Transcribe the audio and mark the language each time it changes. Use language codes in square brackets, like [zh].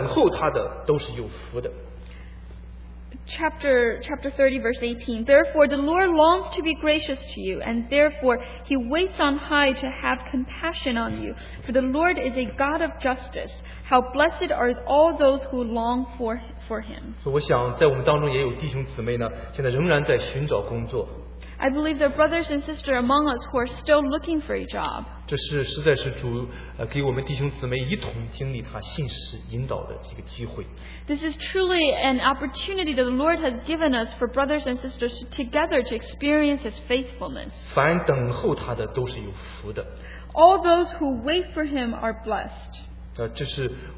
[zh] 18节说，耶和华必然等候，要施恩给你们，必然兴起，好怜悯你们，因为耶和华是公平的神，凡等候他的都是有福的。 [en] Chapter 30, verse 18. Therefore, the Lord longs to be gracious to you, and therefore he waits on high to have compassion on you. For the Lord is a God of justice. How blessed are all those who long for him. [zh] 我想在我们当中也有弟兄姊妹呢，现在仍然在寻找工作。 [en] I believe there are brothers and sisters among us who are still looking for a job. [zh] 这是实在是主给我们弟兄姊妹一同经历他信实引导的这个机会。 [en] This is truly an opportunity that the Lord has given us for brothers and sisters together to experience His faithfulness. [zh] 凡等候他的都是有福的。 [en] All those who wait for Him are blessed.